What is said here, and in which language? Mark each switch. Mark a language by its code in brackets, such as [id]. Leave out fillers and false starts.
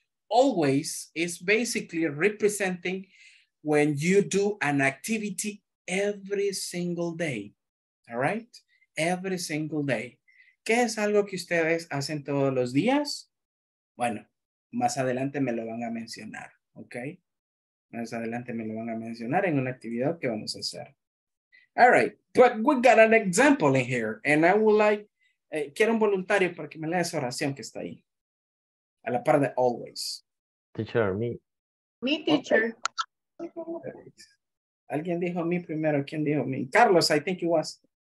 [en] Always is basically representing when you do an activity every single day, all right? Every single day. [es] ¿Qué es algo que ustedes hacen todos los días? Bueno, más adelante me lo van a mencionar, okay? Más adelante me lo van a mencionar en una actividad que vamos a hacer. [en] All right, but we got an example in here. And I would like, [es] quiero un voluntario para que me lea esa oración que está ahí. A la par de always. [en] Teacher, me. Me, teacher. [es] Okay. Alguien dijo me primero. ¿Quién dijo me? Carlos, [en] I think it was.